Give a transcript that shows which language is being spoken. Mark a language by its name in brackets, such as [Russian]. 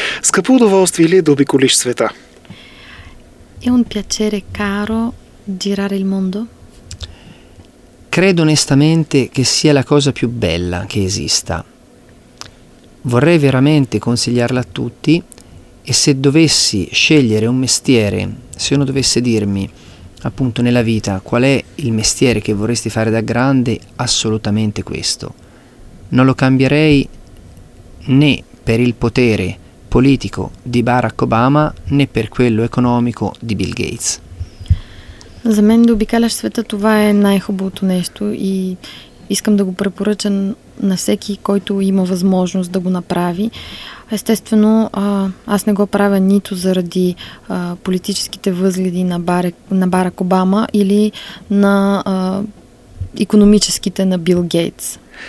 [Bulgarian] Скъпо удоволствие ли е да обиколиш света? [Italian] È un piacere caro girare il mondo? Credo onestamente che sia la cosa più bella che esista. Vorrei veramente consigliarla a tutti e se dovessi scegliere un mestiere, se uno dovesse dirmi appunto nella vita qual è il mestiere che vorresti fare da grande, assolutamente questo. Non lo cambierei né per il potere politico di Barack Obama né per quello economico di Bill Gates. [Bulgarian] За мен да обикаляш света, това е най-хубавото нещо и искам да го препоръчам на всеки, който има възможност да го направи. Естествено, аз не го правя нито заради политическите възгледи на Барак Обама или на икономическите на Бил Гейтс.